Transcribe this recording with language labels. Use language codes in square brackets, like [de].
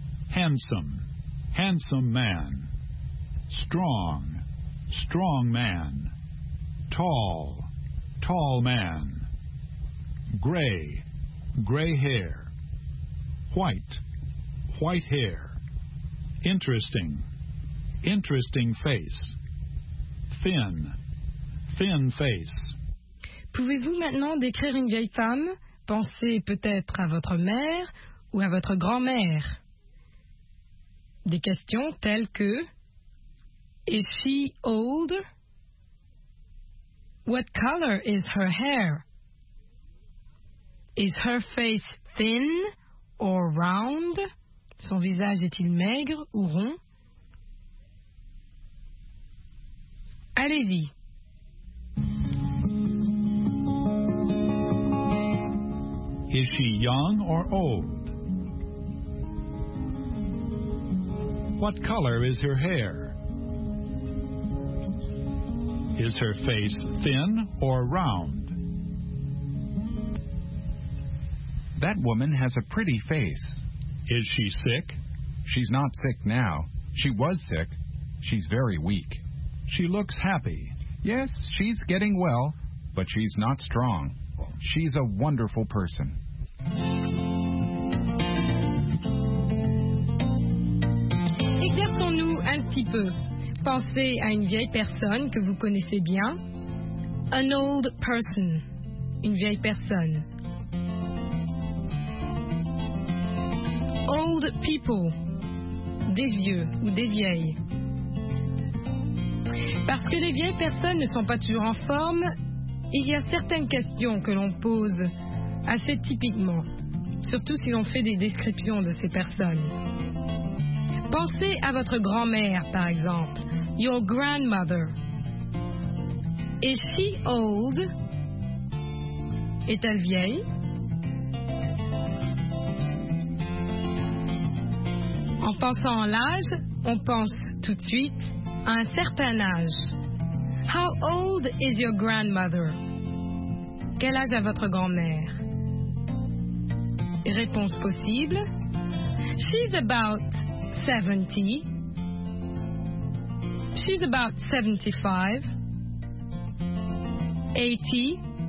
[en] handsome, handsome man, strong, strong man, tall, tall man, gray, gray hair, white, white hair, interesting, interesting face, thin, thin face. [fr] Pouvez-vous maintenant décrire une vieille femme? Pensez peut-être à votre mère ou à votre grand-mère. Des questions telles que [en] Is she old? What color is her hair? Is her face thin or round? [fr] Son visage est-il maigre ou rond? Allez-y. [en] Is she young or old? What color is her hair? Is her face thin or round? That woman has a pretty face. Is she sick? She's not sick now. She was sick. She's very weak. She looks happy. Yes, she's getting well, but she's not strong. She's a wonderful person. [fr] Exerçons-nous un petit peu. Pensez à une vieille personne que vous connaissez bien. [en] An old person. [fr] Une vieille personne. [en] Old people. [fr] Des vieux ou des vieilles. Parce que les vieilles personnes ne sont pas toujours en forme, il y a certaines questions que l'on pose assez typiquement, surtout si l'on fait des descriptions de ces personnes. Pensez à votre grand-mère, par exemple. [en] Your grandmother. Is she old? [fr] Est-elle vieille? En pensant à l'âge, on pense tout de suite à un certain âge. [en] How old is your grandmother? [fr] Quel âge a votre grand-mère? Réponse possible. [en] She's about 70. She's about 75. 80.